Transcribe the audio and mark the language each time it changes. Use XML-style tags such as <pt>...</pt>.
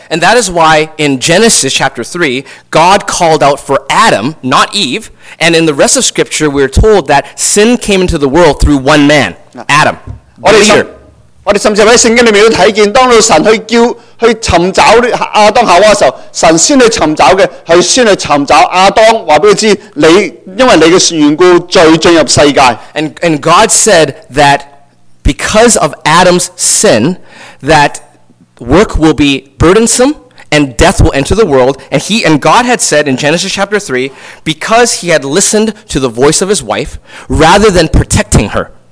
<en>And that is why in Genesis chapter 3, God called out for Adam, not Eve. And in the rest of scripture, we're told that sin came into the world through one man, Adam, the leader.</en> <zh>我們甚至在聖經裡面都看見，當神去尋找亞當夏娃的時候，神先去尋找的，是先去尋找亞當，告訴他，你因為你的緣故，罪進入世界。And</zh> <en>God said that because of Adam's sin, that work will be burdensome, and death will enter the world. And he and God had said in Genesis chapter 3, because he had listened to the voice of his wife, rather than protecting her.</en>